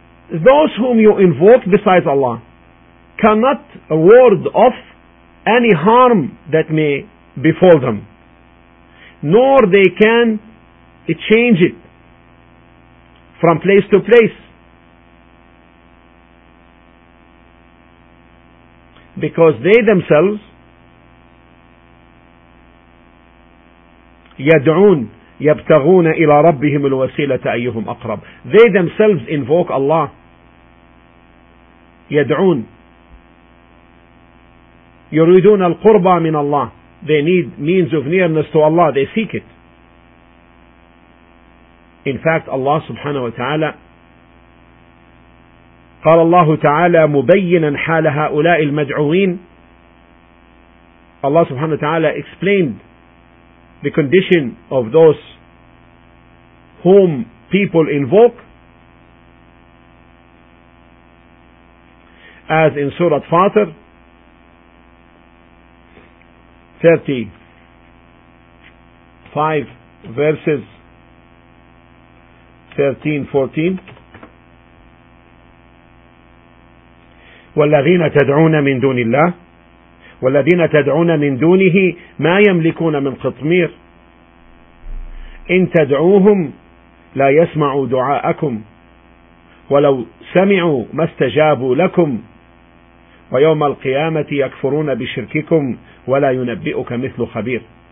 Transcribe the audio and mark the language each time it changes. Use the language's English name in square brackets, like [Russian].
[English] Those whom you invoke besides Allah cannot ward off any harm that may befall them, nor they can change it from place to place, because they themselves [Arabic] يدعون يبتغون إلى ربهم الوسيلة أيهم أقرب. [English] They themselves invoke Allah. [Arabic] يدعون يريدون القربى من الله. [English] They need means of nearness to Allah. They seek it. In fact, [Arabic] Allah subhanahu wa ta'ala, قال الله تعالى مبينا حال هؤلاء المدعوين. [English] Allah subhanahu wa ta'ala explained the condition of those whom people invoke, as in Surah Fatir 35 verses 13-14. [Arabic] والذين تدعون من دون الله والذين تدعون من دونه ما يملكون من قطمير إن تدعوهم لا يسمعوا دعاءكم ولو سمعوا ما استجابوا لكم ويوم القيامة يكفرون بشرككم ولا ينبئك مثل خبير.